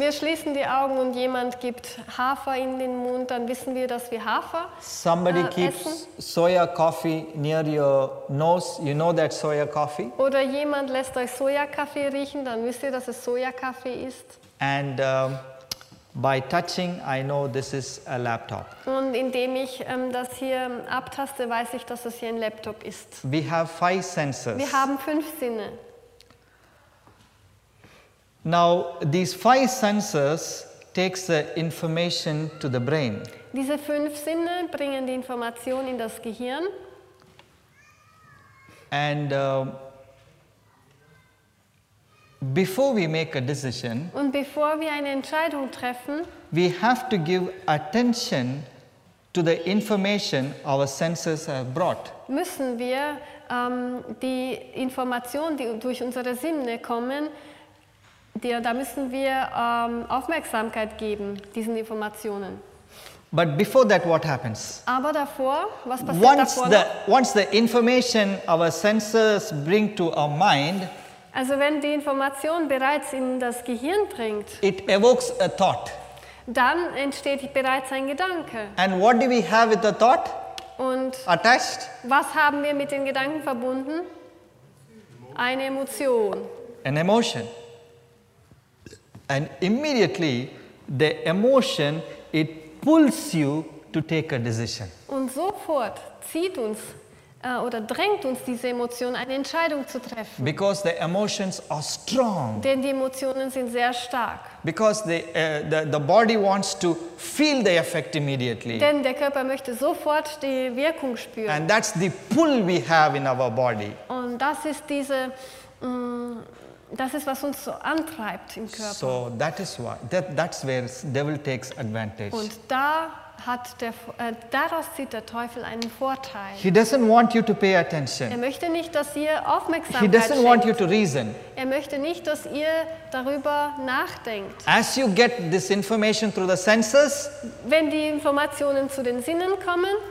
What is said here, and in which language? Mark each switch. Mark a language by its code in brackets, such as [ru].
[de] Wir schließen die Augen und jemand gibt Hafer in den Mund, dann wissen wir, dass wir Hafer essen. [en] Somebody keeps soya coffee near your nose, you know that soya coffee. [de] Oder jemand lässt euch Sojakaffee riechen, dann wisst ihr, dass es Sojakaffee ist. [en] And by touching, I know this is a laptop. [de] Und indem ich das hier abtaste, weiß ich, dass es hier ein Laptop ist. [en] We have five senses. [de] Wir haben fünf Sinne. [en] Now these five senses takes the information to the brain. [de] Diese fünf Sinne bringen die Information in das Gehirn. [en] And before we make a decision, [de] und bevor wir eine Entscheidung treffen, [en] we have to give attention to the information our senses have brought. [de] Müssen wir die Information, die durch unsere Sinne kommen, da müssen wir Aufmerksamkeit geben, diesen Informationen. [en] But before that, what happens? [de] Aber davor, was passiert [en] once [de] davor? [en] Once the information our senses bring to our mind, [de] also wenn die Information bereits in das Gehirn dringt, [en] it evokes a thought. [de] Dann entsteht bereits ein Gedanke. [en] And what do we have with the thought? [de] Und [en] attached? [de] Was haben wir mit den Gedanken verbunden? Eine Emotion. [en] An emotion. And immediately the emotion, it pulls you to take a decision. [de] Und sofort zieht uns oder drängt uns diese Emotion, eine Entscheidung zu treffen. [en] Because the emotions are strong. [de] Denn die Emotionen sind sehr stark. [en] Because the body wants to feel the effect immediately. [de] Denn der Körper möchte sofort die Wirkung spüren. [en] And that's the pull we have in our body. [de] Und das ist diese Das ist, was uns so antreibt im Körper. [en] So that is why, that's where devil takes advantage. [de] Und da hat der, daraus zieht der Teufel einen Vorteil. [en] He doesn't want you to pay attention. [de] Er möchte nicht, dass ihr Aufmerksamkeit schenkt. [en] He doesn't want you to reason. [de] Er möchte nicht, dass ihr darüber nachdenkt. [en] As you get this information through the senses, [de] wenn die Informationen zu den Sinnen kommen,